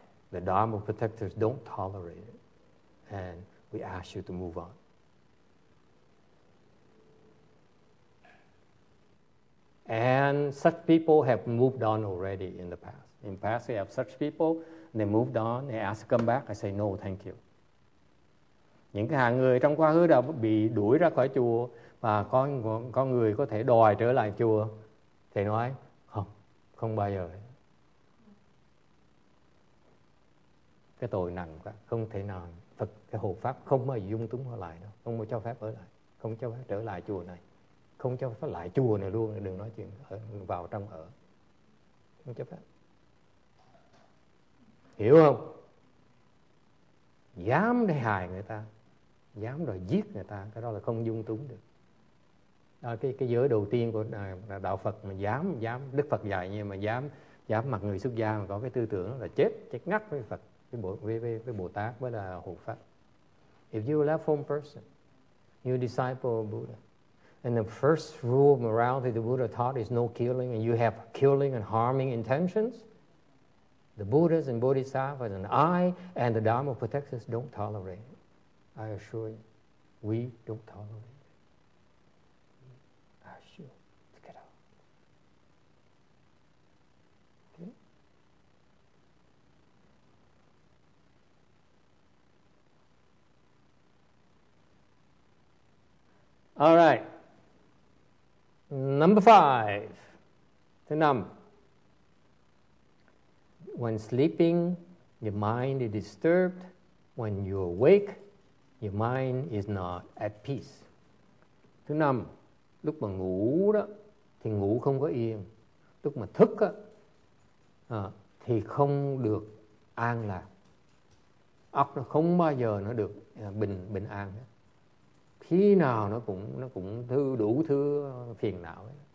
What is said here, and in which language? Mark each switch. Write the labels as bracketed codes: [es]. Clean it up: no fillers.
[en] The Dharma protectors don't tolerate it. And we ask you to move on. And such people have moved on already in the past. In the past, we have such people, they moved on, they asked to come back, I say, no, thank you. [vi] Những cái hàng người trong quá khứ đã bị đuổi ra khỏi chùa và có người có thể đòi trở lại chùa, thầy nói, không, không bao giờ. Cái tội nặng quá, không thể nào, Phật, cái hộ pháp không bao giờ dung túng họ lại đâu, không có cho phép ở lại, không cho phép trở lại chùa này. Không cho phép lại chùa này luôn, đừng nói chuyện ở, vào trong ở. Không cho phép. Hiểu không? Dám để hại người ta, dám rồi giết người ta, cái đó là không dung túng được. À, cái giới đầu tiên của đạo Phật mà dám Đức Phật dạy nhưng mà dám mặc người xuất gia mà có cái tư tưởng đó là chết ngắt với Phật, với Bồ Tát, với là hộ pháp. [en] If you're a left-home person, you're a disciple of Buddha, and the first rule of morality the Buddha taught is no killing, and you have killing and harming intentions, the Buddhas and Bodhisattvas and I and the Dharma protects us don't tolerate it. I assure you, we don't tolerate it. I assure you, to get out. Okay? All right. Number five, the number. When sleeping, your mind is disturbed. When you awake, your mind is not at peace. [vi] Thứ năm, lúc mà ngủ đó, thì ngủ không có yên. Lúc mà thức đó, thì không được an lạc. Óc nó không bao giờ nó được bình an hết. Khi nào nó cũng đủ thứ phiền não ấy.